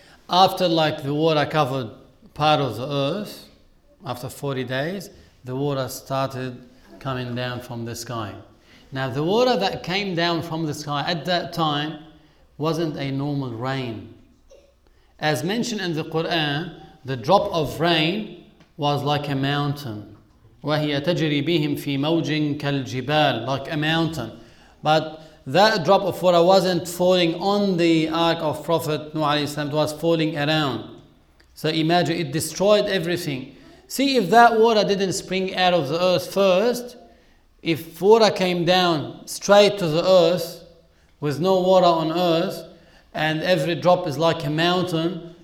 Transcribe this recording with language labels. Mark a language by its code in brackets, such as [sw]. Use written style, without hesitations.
[en] After the water covered part of the earth, after 40 days, the water started coming down from the sky. Now the water that came down from the sky at that time wasn't a normal rain. As mentioned in the Quran, the drop of rain was like a mountain. [ar] وَهِيَ تَجْرِي بِهِمْ فِي مَوْجٍ كَالْجِبَالِ [en] Like a mountain. But that drop of water wasn't falling on the ark of Prophet Nuh alayhi salam, it was falling around. So imagine, it destroyed everything. See, if that water didn't spring out of the earth first, if water came down straight to the earth with no water on earth and every drop is like a mountain,